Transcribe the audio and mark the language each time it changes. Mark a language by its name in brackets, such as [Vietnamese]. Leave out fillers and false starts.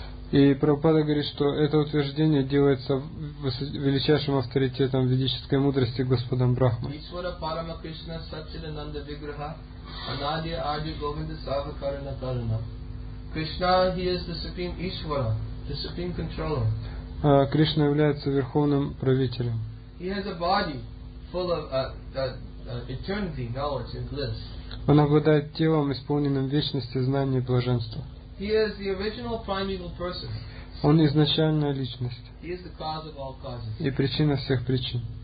[Russian] И Прабхупада говорит, что это утверждение делается величайшим авторитетом ведической мудрости Господом Брахмой. [Sanskrit] Ишвара Парама Кришна Сатчидананда Виграха Анадия Арджи Говинда Савакарана Карана. [English] Кришна, He is the Supreme Ишвара, the Supreme Controller. [Russian] Кришна является Верховным Правителем. [English] He has a body full of eternity, knowledge and bliss. [Russian] Он обладает телом, исполненным вечности, знания и блаженства. [English] He is the original primeval person. [Russian] Он изначальная личность и причина всех причин.